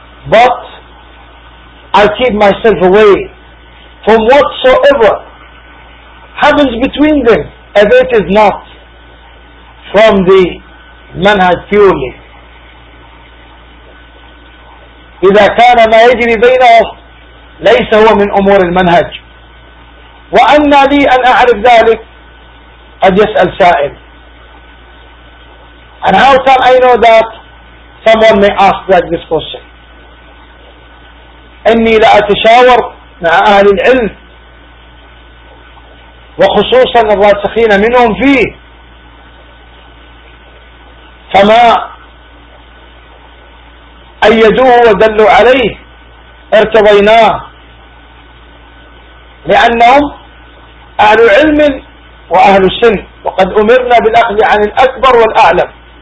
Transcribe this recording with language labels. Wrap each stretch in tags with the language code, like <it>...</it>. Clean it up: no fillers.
<en>But I keep myself away from whatsoever happens between them, if it is not from the manhaj purely.</en> <ar>إذا كان ما يجري بينه ليس هو من أمور المنهج. وأن لي أن أعرف ذلك، قد يسأل سائل.</ar> <en>And how can I know that? Someone may ask that this question.</en> <ar>أني لا أتشاور مع أهل العلم وخصوصا الراسخين منهم فيه، فما أيدوه ودلوا عليه ارتضيناه، لأنهم أهل علم وأهل سن، وقد أمرنا بالأخذ عن الأكبر والأعلم.</ar>